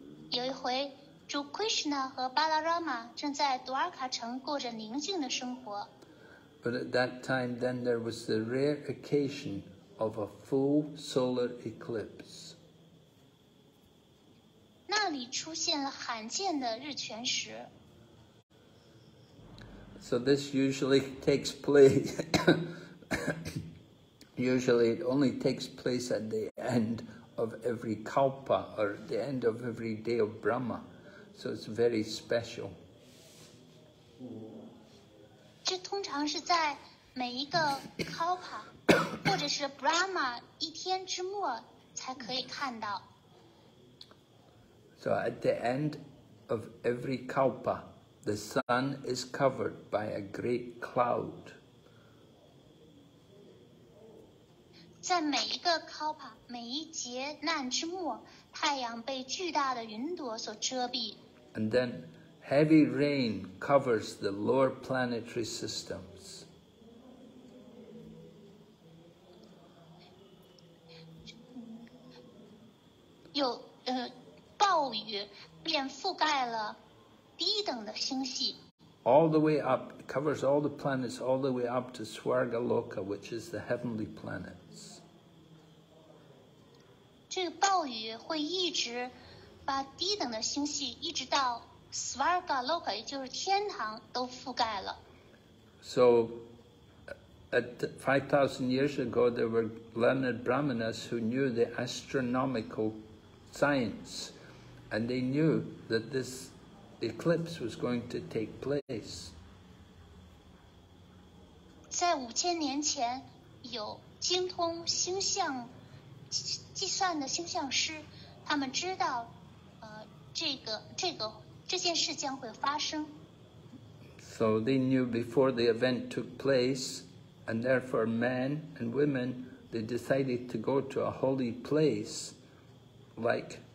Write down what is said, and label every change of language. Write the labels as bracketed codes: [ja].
[zh] 有一回，主 Krishna 和 Balarama 正在 Dwarka 城过着宁静的生活。 [en] But at that time, then there was the rare occasion of a full solar eclipse. [zh] 那里出现了罕见的日全食。 [en] So this usually takes place. Usually, it only takes place at the end of every kalpa or the end of every day of Brahma. So it's very special. [zh] 这通常是在每一个 kalpa 或者是 Brahma 一天之末才可以看到。 [en] So at the end of every kalpa, the sun is covered by a great cloud. [zh] 在每一个 kalpa, 每一劫难之末，太阳被巨大的云朵所遮蔽。 [en] And then heavy rain covers the lower planetary systems. [zh] 有暴雨便覆盖了低等的星系。 [en] All the way up, covers all the planets all the way up to Swargaloka, which is the heavenly planets. [zh] 这个暴雨会一直把低等的星系一直到 Swargaloka, 也就是天堂都覆盖了。 [en] So, at 5,000 years ago, there were learned brahmanas who knew the astronomical science. And they knew that this eclipse was going to take place. [zh] 在五千年前，有精通星象计算的星象师，他们知道，这件事将会发生。 [en] So they knew before the event took place, and therefore men and women, they decided to go to a holy place, like.